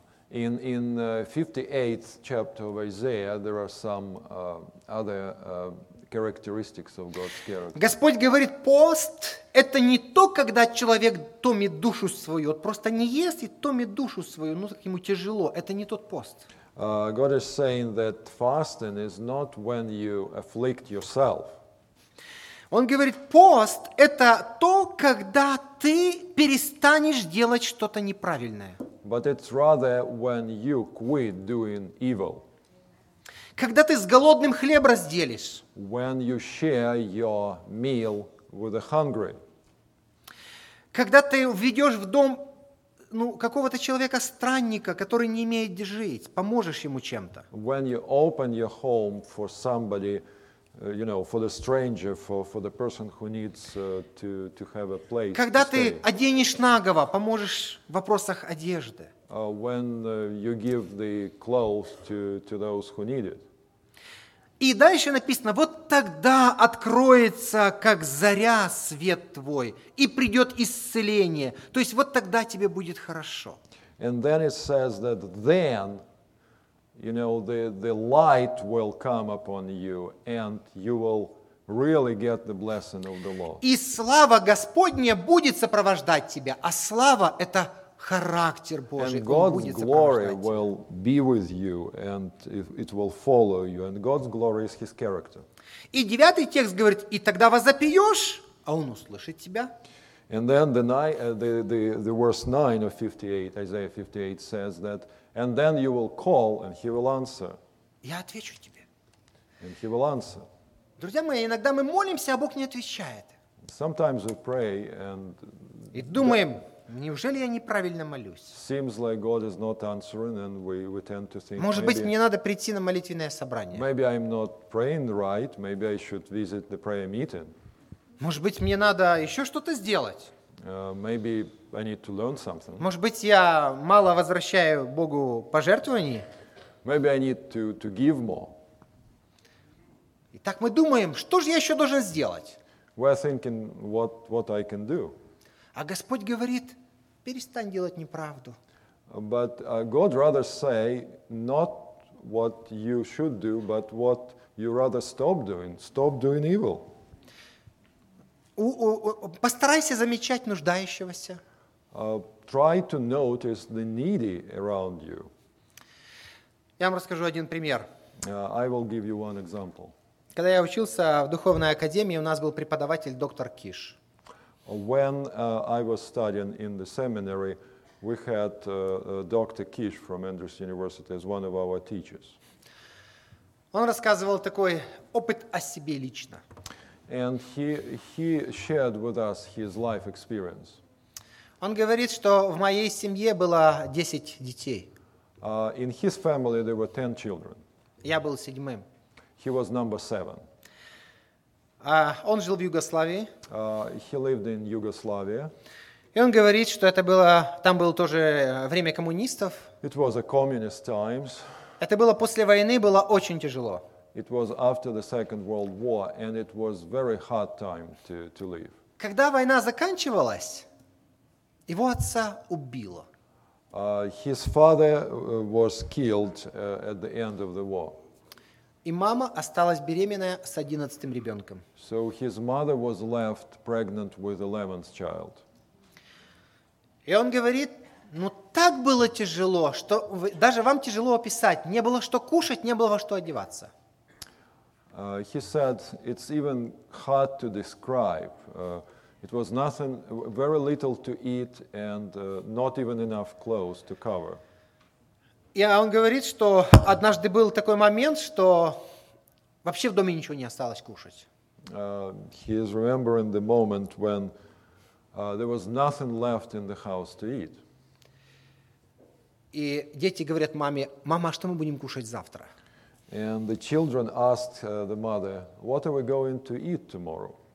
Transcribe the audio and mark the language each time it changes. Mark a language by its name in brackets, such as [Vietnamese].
[English] In 58th chapter of Isaiah, there are some other characteristics of God's character. [Russian] Господь говорит, пост – это не то, когда человек томит душу свою. Вот просто не ест и томит душу свою, ну, так ему тяжело. Это не тот пост. [English] God is saying that fasting is not when you afflict yourself. [Russian] Он говорит, пост – это то, когда ты перестанешь делать что-то неправильное. [English] But it's rather when you quit doing evil. [Russian] Когда ты с голодным хлеб разделишь. [English] When you share your meal with the hungry. [Russian] Когда ты введешь в дом какого-то человека-странника, который не имеет где жить, поможешь ему чем-то. [English] When you open your home for somebody, for the stranger, for the person who needs to have a place. [Russian] Когда [English] to stay. [Russian] Ты оденешь наголо, поможешь в вопросах одежды. [English] You give the clothes to those who need it. [Russian] И дальше написано: вот тогда откроется, как заря, свет твой, и придет исцеление. То есть вот тогда тебе будет хорошо. [English] And then it says that then. You know, the light will come upon you, and you will really get the blessing of the Lord. [Russian] И слава Господня будет сопровождать тебя, а слава – это характер Божий. [English] And God's glory will be with you, and it will follow you. And God's glory is His character. [Russian] И девятый текст говорит, и тогда возопьешь, а Он услышит тебя. [English] And then the verse 9 of 58, Isaiah 58, says that, and then you will call, and he will answer. [Russian] Я отвечу тебе. [English] And he will answer. [Russian] Друзья мои, иногда мы молимся, а Бог не отвечает. [English] Sometimes we pray and... [Russian] И думаем, неужели я неправильно молюсь? [English] Seems like God is not answering, and we tend to think... [Russian] Может быть, мне надо прийти на молитвенное собрание. [English] Maybe I'm not praying right, maybe I should visit the prayer meeting. [Russian] Может быть, мне надо еще что-то сделать? [English] Maybe I need to learn something. [Russian] Может быть, я мало возвращаю Богу пожертвований? [English] Maybe I need to give more. [Russian] Итак, мы думаем, что же я еще должен сделать? [English] We're thinking what I can do. [Russian] А Господь говорит, перестань делать неправду. [English] But God rather say not what you should do, but what you rather stop doing. Stop doing evil. [Russian] Постарайся замечать нуждающегося. [English] Try to notice the needy around you. [Russian] Я вам расскажу один пример. [English] I will give you one example. [Russian] Когда я учился в духовной академии, у нас был преподаватель доктор Киш. [English] When I was studying in the seminary, we had Dr. Kish from Andrews University as one of our teachers. [Russian] Он рассказывал такой опыт о себе лично. [English] And he shared with us his life experience. [Russian] Он говорит, что в моей семье было 10 детей. [English] In his family there were 10 children. [Russian] Я был седьмым. [English] He was number 7. [Russian] Он жил в Югославии. [English] He lived in Yugoslavia. [Russian] И он говорит, что это было, там было тоже время коммунистов. [English] It was a communist times. [Russian] Это было после войны, было очень тяжело. [English] It was after the Second World War, and it was very hard time to live. [Russian] Когда война заканчивалась, его отца убило. [English] His father was killed at the end of the war. [Russian] И мама осталась беременная с 11-м ребенком. [English] So his mother was left pregnant with 11th child. [Russian] И он говорит, ну так было тяжело, что вы, даже вам тяжело описать. Не было что кушать, не было во что одеваться. [English] He said, it's even hard to describe. It was nothing, very little to eat and not even enough clothes to cover. [Russian] И он говорит, что однажды был такой момент, что вообще в доме ничего не осталось кушать. [English] He is remembering the moment when there was nothing left in the house to eat. [Russian] И дети говорят маме: "Мама, а что мы будем кушать завтра?" [English] And the children asked the mother, "What are we going to eat tomorrow?"